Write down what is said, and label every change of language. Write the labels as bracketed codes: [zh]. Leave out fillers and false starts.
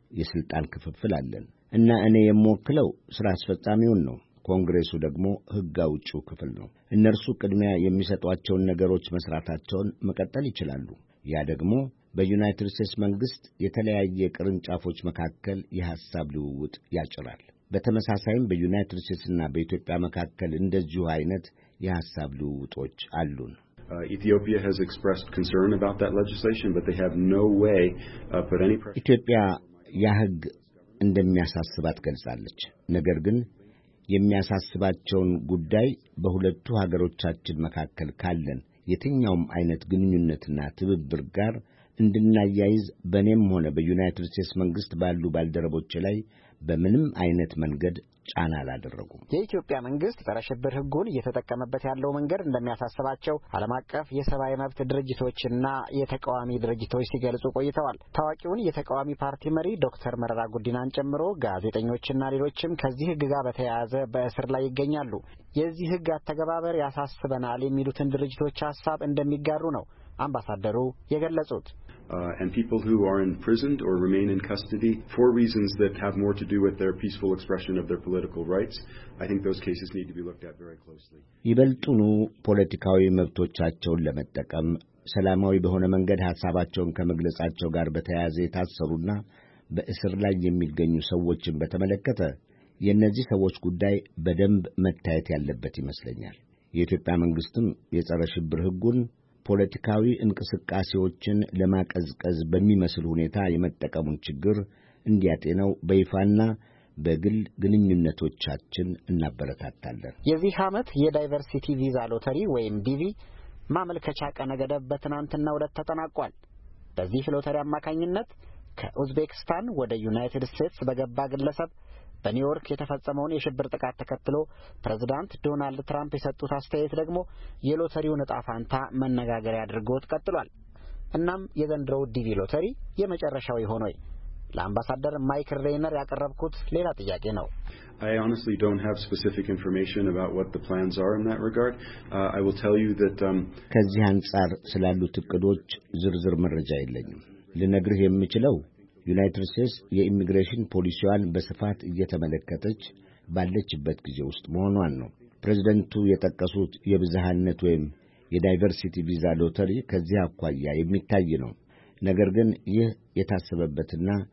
[am] የሥልጣን ክፍፍል አለን እና እኔ የምወክለው ሥራ አስፈጻሚውን ነው። ኮንግሬሱ ደግሞ ሕግ አውጪው ክፍል ነው። እነርሱ ቅድሚያ የሚሰጧቸውን ነገሮች መሥራታቸውን መቀጠል ይችላሉ። ያ ደግሞ በዩናይትድ ስቴትስ መንግሥት የተለያየ ቅርንጫፎች መካከል የሐሳብ ልውውጥ ያጭራል። በተመሳሳይም በዩናይትድ ስቴትስና በኢትዮጵያ መካከል እንደዚሁ አይነት የሐሳብ ልውውጦች አሉን። [en] Ethiopia has expressed concern about that legislation, but they have no way put any pressure. [am] ኢትዮጵያ ያህግ እንደሚያሳስባት ገልጻለች። ነገር ግን የሚያሳስባቸውን ጉዳይ በሁለቱ ሀገሮቻችን መካከል ካለን የትኛውም አይነት ግንኙነትና ትብብር ጋር እንድናያይዝ በኔም ሆነ በዩናይትድ ስቴትስ መንግስት ባሉ ባልደረቦች ላይ በምንም አይነት መንገድ ጫና አላደረጉም። የኢትዮጵያ መንግስት ጸረ ሽብር ህጉን እየተጠቀመበት ያለው መንገድ እንደሚያሳስባቸው ዓለም አቀፍ የሰብአዊ መብት ድርጅቶችና የተቃዋሚ ድርጅቶች ሲገልጹ ቆይተዋል። ታዋቂውን የተቃዋሚ ፓርቲ መሪ ዶክተር መረራ ጉዲናን ጨምሮ ጋዜጠኞችና ሌሎችም ከዚህ ህግ ጋር በተያያዘ በእስር ላይ ይገኛሉ። የዚህ ህግ አተገባበር ያሳስበናል የሚሉትን ድርጅቶች ሐሳብ እንደሚጋሩ ነው አምባሳደሩ የገለጹት። [en] And people who are imprisoned or remain in custody for reasons that have more to do with their peaceful expression of their political rights, I think those cases need to be looked at very closely. [am] ይበልጡኑ ፖለቲካዊ መብቶቻቸውን ለመጠቀም ሰላማዊ በሆነ መንገድ ሐሳባቸውን ከመግለጻቸው ጋር በተያያዘ የታሰሩና በእስር ላይ የሚገኙ ሰዎችን በተመለከተ የነዚህ ሰዎች ጉዳይ በደንብ መታየት ያለበት ይመስለኛል። የኢትዮጵያ መንግስትም የጸረ ሽብር ህጉን ፖለቲካዊ እንቅስቃሴዎችን ለማቀዝቀዝ በሚመስል ሁኔታ የመጠቀሙን ችግር እንዲያጤነው በይፋና በግል ግንኙነቶቻችን እናበረታታለን። የዚህ ዓመት የዳይቨርሲቲ ቪዛ ሎተሪ ወይም ዲቪ ማመልከቻ ቀነ ገደብ በትናንትናው ዕለት ተጠናቋል። በዚህ ሎተሪ አማካኝነት ከኡዝቤክስታን ወደ ዩናይትድ ስቴትስ በገባ ግለሰብ በኒውዮርክ የተፈጸመውን የሽብር ጥቃት ተከትሎ ፕሬዝዳንት ዶናልድ ትራምፕ የሰጡት አስተያየት ደግሞ የሎተሪውን ዕጣ ፈንታ መነጋገሪያ አድርጎት ቀጥሏል። እናም የዘንድሮው ዲቪ ሎተሪ የመጨረሻው ይሆን? ለአምባሳደር ማይክል ሬነር ያቀረብኩት ሌላ ጥያቄ ነው። [en] I honestly don't have specific information about what the plans are in that regard. I will tell you that [am] ከዚህ አንጻር ስላሉት እቅዶች ዝርዝር መረጃ የለኝም። ልነግርህ የምችለው ዩናይትድ ስቴትስ የኢሚግሬሽን ፖሊሲዋን በስፋት እየተመለከተች ባለችበት ጊዜ ውስጥ መሆኗን ነው። ፕሬዝደንቱ የተቀሰሱት የብዝሃነት ወይም የዳይቨርሲቲ ቪዛ ሎተሪ ከዚህ አኳያ የሚታይ ነው። ነገር ግን ይህ የታሰበበትና